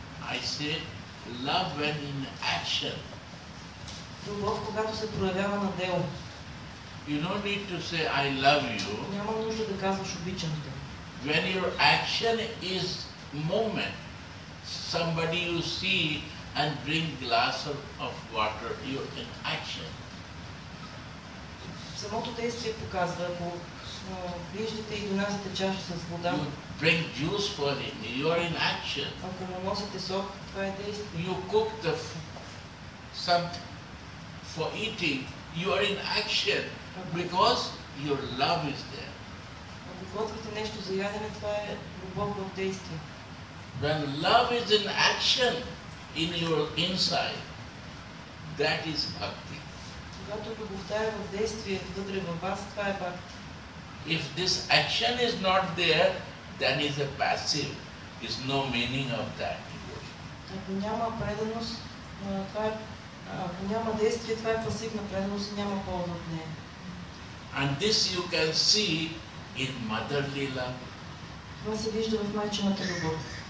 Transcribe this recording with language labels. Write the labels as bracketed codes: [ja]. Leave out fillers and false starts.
[en] I say love when in action. [bg] Любов, когато се проявява на дело. [en] You don't need to say I love you. [bg] Няма нужда да казваш обичам те. [en] When your action is moment, somebody you see and bring glass of water, you're in action. [bg] Самото действие показва, ако виждате и донасяте чаша с вода. [en] You bring juice for him, you're in action. [bg] Ако му носите сок, това е действие. [en] You cook the something for eating, you're in action. Because your love is there. [bg] Ако готвите нещо за ядене, това е любов в действие. [en] When love is in action in your inside, that is bhakti. [bg] Когато любовта е в действие вътре във вас, това е бхакти. [en] If this action is not there, then is a passive. Is no meaning of that devotion. [bg] Ако няма преданост, това е, ако няма действие, това е пасивна преданост и няма полза от нея. [en] And this you can see in motherly love. [bg] Това се вижда в майчината любов.